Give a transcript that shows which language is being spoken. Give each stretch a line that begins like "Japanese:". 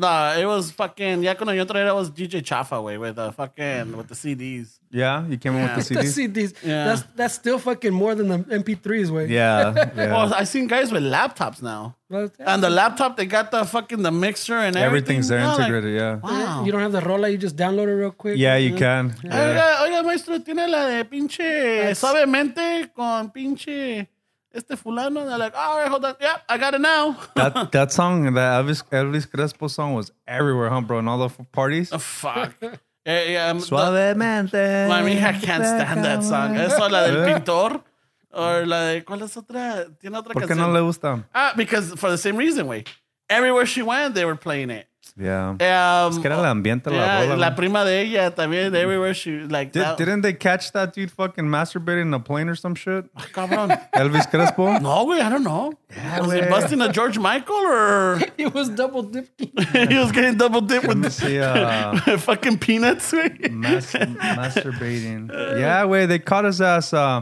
English: With no, it was fucking
Spanish: ya cuando yo traía
English: that was DJ Chafa way with the fucking with the CDs. Yeah, you came in with the CDs. The CDs. Yeah. That's still fucking more than the MP3s, way. Yeah. Well, I seen guys with laptops now. And the laptop, they got the fucking the mixer and everything. Everything's there integrated, like, yeah. Wow. You don't have the rola, you just download it real quick. Yeah, you can.
Spanish: Oiga, maestro, tiene la de pinche suavemente con pinche este fulano.
English: They're like, all right, hold on. Yeah, I got it now. That song, that Elvis Crespo song was everywhere, huh, bro? And all the parties. Oh, fuck. Yeah, suavemente. Well, I mean, I can't stand that song.
Spanish: Eso, la del pintor. Or la de, ¿cuál es otra? ¿Tiene otra canción? ¿Por qué no le gusta?
English: Ah, because for the same reason, güey. Everywhere she went, they were playing it.
Spanish: Yeah. Es que era el ambiente, la
English: yeah,
Spanish: bola. La prima de ella también,
English: everywhere she, like did, that. Didn't they catch that dude fucking masturbating in a plane or some shit?
Spanish: Oh, cabrón.
English: Elvis Crespo? No, güey, I don't know. Yeah, was he busting a George Michael or? He was double dipped. He was getting double dipped with fucking peanuts, güey. Masturbating. Yeah, güey, they caught his ass.